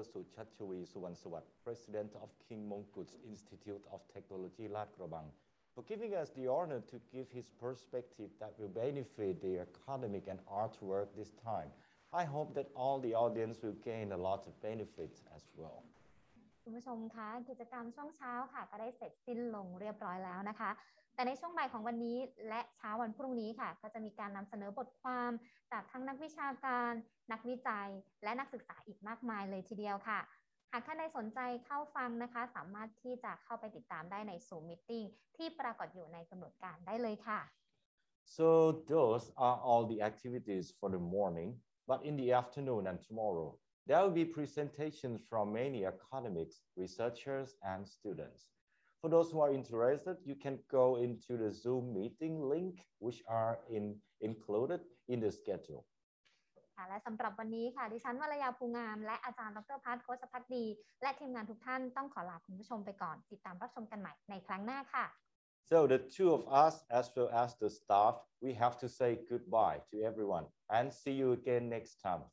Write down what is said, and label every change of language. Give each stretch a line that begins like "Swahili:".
English: Suchachwi Suwansawat, President of King Mongkut's Institute of Technology, Lat Krabang, for giving us the honor to give his perspective that will benefit the academic and artwork this time. I hope that all the audience will gain a lot of benefits as well.
Thai: คุณผู้ชมคะกิจกรรมช่วงเช้าค่ะก็ได้เสร็จสิ้นลงเรียบร้อยแล้วนะคะแต่ในช่วงบ่ายของวันนี้และเช้าวันพรุ่งนี้ค่ะก็จะมีการนำเสนอบทความจากทั้งนักวิชาการนักวิจัยและนักศึกษาอีกมากมายเลยทีเดียวค่ะหากท่านใดสนใจเข้าฟังนะคะสามารถที่จะเข้าไปติดตามได้ใน Zoom Meeting ที่ปรากฏอยู่ในกำหนดการได้เลยค่ะ
English: So those are all the activities for the morning but in the afternoon and tomorrowThere will be presentations from many academics, researchers, and students. For those who are interested, you can go into the Zoom meeting link, which are included in the schedule.
Thai: และสำหรับวันนี้ค่ะดิฉันวรยาภูงามและอาจารย์ดร.พัฒน์โคชภักดีและทีมงานทุกท่านต้องขอลาคุณผู้ชมไปก่อนติดตามรับชมกันใหม่ในครั้งหน้าค่ะ
English: So the two of us, as well as the staff, we have to say goodbye to everyone and see you again next time.